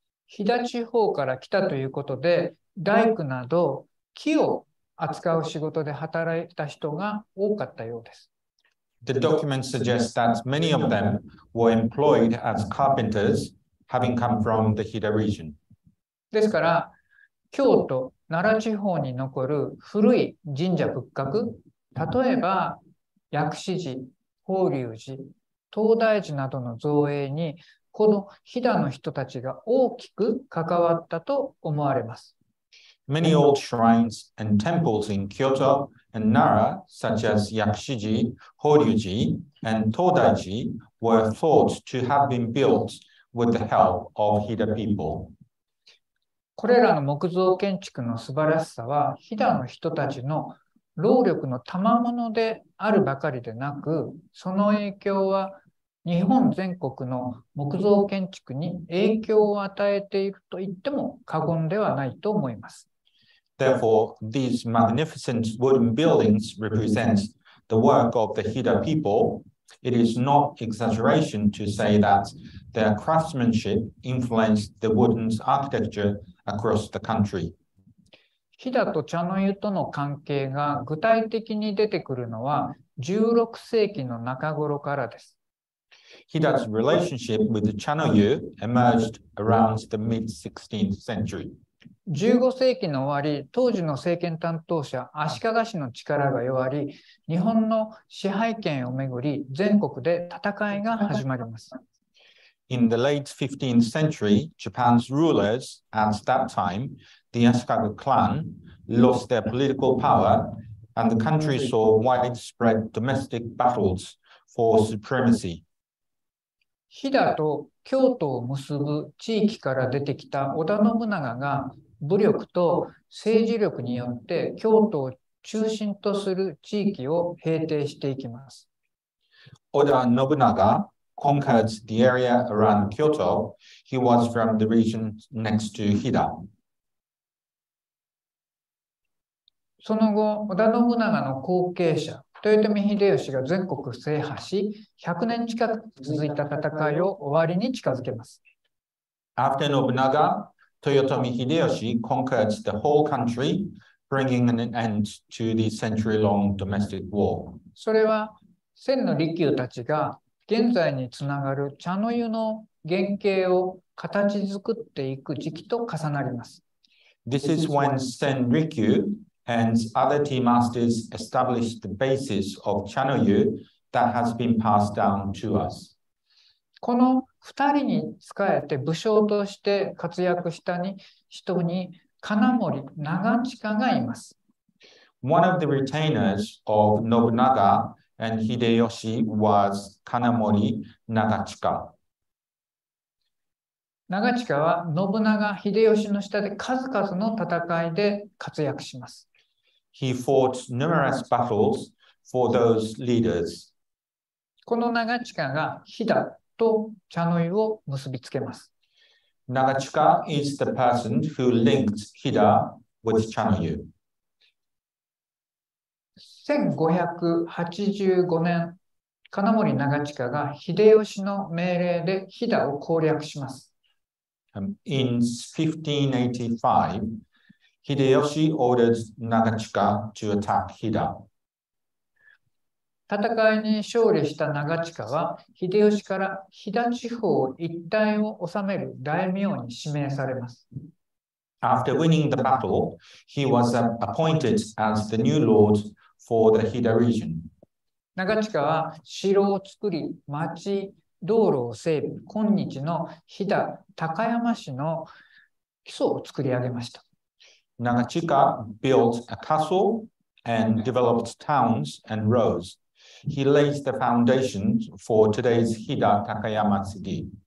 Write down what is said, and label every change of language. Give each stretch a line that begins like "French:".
Japanese: 飛騨地方から来たということで、大工など木を扱う仕事で働いた人が多かったようです。
English: The document suggests that many of them were employed as carpenters, having come from the Hida region.
Japanese: ですから、京都、奈良地方に残る古い神社仏閣、例えば薬師寺、法隆寺、東大寺などの造営に、この飛騨の人たちが大きく関わったと思われます。
English: Many old shrines and temples in Kyoto and Nara, such as Yakushiji, Horyuji, and Todaiji, were thought to have been built with the help of Hida people.
Japanese: これらの木造建築の素晴らしさは、飛騨の人たちの労力の賜物であるばかりでなく、その影響は日本全国の木造建築に影響を与えていると言っても過言ではないと思います。
English: Therefore, these magnificent wooden buildings represent the work of the Hida people. It is not exaggeration to say that their craftsmanship influenced the wooden architecture across the country.
Japanese: Hida と茶の湯との関係が具体的に出てくるのは16世紀の中頃からです。
English: Hida's relationship with the 茶の湯 emerged around the mid-16th century.
Japanese: 15世紀の終わり、当時の政権担当者、足利氏の力が弱り、日本の支配権をめぐり、全国で戦いが始まります。
English: In the late 15th century, Japan's rulers at that time, the Ashikaga clan, lost their political power, and the country saw widespread domestic battles for supremacy.
Japanese: 飛騨と京都を結ぶ地域から出てきた織田信長が武力と政治力によって京都を中心とする地域を平定していきます。
English: 織田信長 conquered the area around Kyoto. He was from the region next to Hida.
Japanese: その後、織田信長の後継者、豊臣秀吉が全国制覇し、100年近く続いた戦いを終わりに近づけます。
English: After Nobunaga, Toyotomi Hideyoshi conquered the whole country, bringing an end to the century-long domestic war.
Japanese: それは、千の利休たちが現在につながる茶の湯の原型を形作っていく時期と重なります。
English: This is when Sen Rikyu Hence, other tea masters established the basis of chanoyu that has been passed down to us.
Japanese: この二人に仕えて武将として活躍したに人に金森長近がいます。
English: One of the retainers of Nobunaga and Hideyoshi was Kanamori Nagachika.
Japanese: 長近は信長秀吉の下で数々の戦いで活躍します。
English: He fought numerous battles for those leaders.
Japanese: この長近がヒダと茶の湯を結びつけます。
English: 長近 is the person who linked Hida with 茶の湯。
Japanese: 1585年、金森長近が秀吉の命令でヒダを攻略します。
English: In 1585, Hideyoshi ordered Nagachika to attack Hida.
Japanese: 戦いに勝利した長近は、秀吉から飛騨地方一帯を治める大名に指名されます。
English: After winning the battle, he was appointed as the new lord for the Hida region.
Japanese: 長近は城を作り、町、道路を整備、今日の飛騨高山市の基礎を作り上げました。
English: 長近 built a castle and developed towns and roads. He lays the foundations for today's Hida Takayama city.